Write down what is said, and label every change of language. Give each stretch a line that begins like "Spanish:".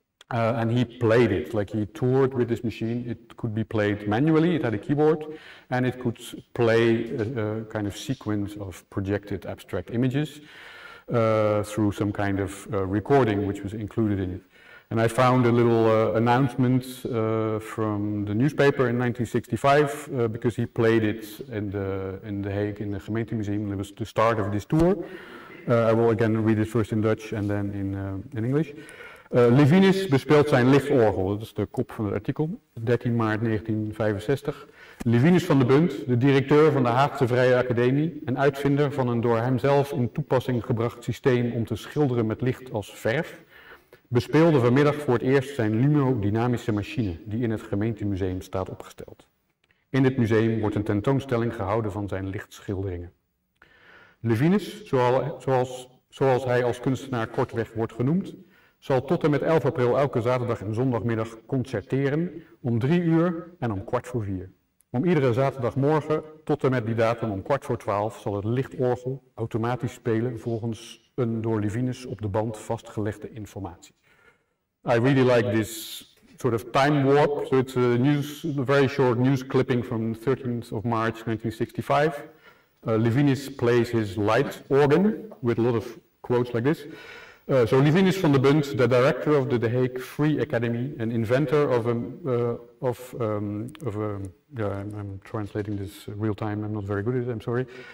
English: And he played it, like he toured with this machine. It could be played manually, it had a keyboard, and it could play a kind of sequence of projected abstract images through some kind of recording which was included in it. And I found a little announcement from the newspaper in 1965, because he played it in The Hague, in the Gemeentemuseum. It was the start of this tour. I will again read it first in Dutch and then in English.
Dutch: Livinus bespeelt zijn lichtorgel, dat is de kop van het artikel, 13 maart 1965. Livinus van de Bunt, de directeur van de Haagse Vrije Academie en uitvinder van een door hemzelf in toepassing gebracht systeem om te schilderen met licht als verf, bespeelde vanmiddag voor het eerst zijn luminodynamische machine die in het gemeentemuseum staat opgesteld. In dit museum wordt een tentoonstelling gehouden van zijn lichtschilderingen. Livinus, zoals hij als kunstenaar kortweg wordt genoemd, zal tot en met 11 april elke zaterdag en zondagmiddag concerteren om 3 uur en om 3:45. Om iedere zaterdagmorgen tot en met die datum om 11:45 zal het lichtorgel automatisch spelen volgens een door Livinus op de band vastgelegde informatie.
English: I really like this sort of time warp. So it's a news, a very short news clipping from 13th of March 1965. Livinus plays his light organ with a lot of quotes like this. So Livinus van de Bunt, the director of the Hague Free Academy, an inventor of I'm translating this real time, I'm not very good at it, I'm sorry.